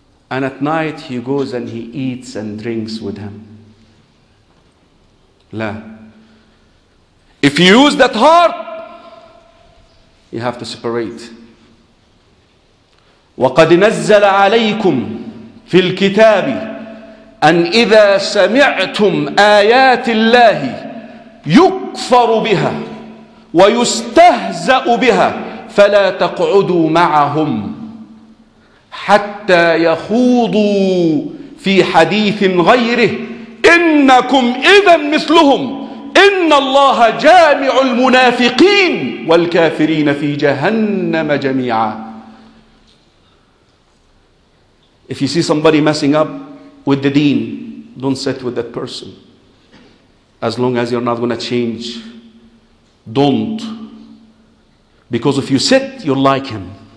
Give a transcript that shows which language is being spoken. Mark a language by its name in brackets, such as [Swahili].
[English] And at night he goes and he eats and drinks with him. [Arabic] لا. [English] If you use that heart, you have to separate. [Arabic] وقد نزل عليكم في الكتاب أن إذا سمعتم آيات الله يكفر بها ويستهزأ بها فلا تقعدوا معهم حتى يخوضوا في حديث غيره إنكم إذا مثلهم إن الله جامع المنافقين والكافرين في جهنم جميعا. [English] If you see somebody messing up with the deen, don't sit with that person. As long as you're not going to change, don't. Because if you sit, you'll like him.